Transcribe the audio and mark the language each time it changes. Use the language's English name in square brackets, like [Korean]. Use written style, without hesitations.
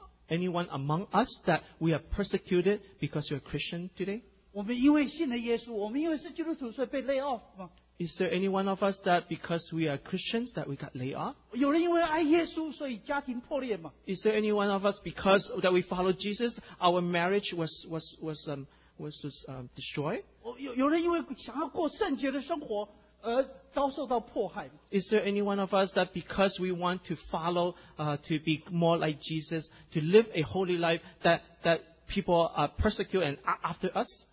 [English] Anyone among us that we are persecuted because you are Christian today? [Chinese] 我们因为信了耶稣，我们因为是基督徒，所以被 [English] lay off [Chinese] 吗？ [English] Is there any one of us that because we are Christians that we got laid off? [Chinese] 有人因为爱耶稣，所以家庭破裂吗？ [English] Is there any one of us because that we follow Jesus, our marriage was destroyed? [Chinese] 有人因为想要过圣洁的生活。 [English] Is there any one of us that because we want to follow, to be more like Jesus, to live a holy life, that people are persecuted and after us?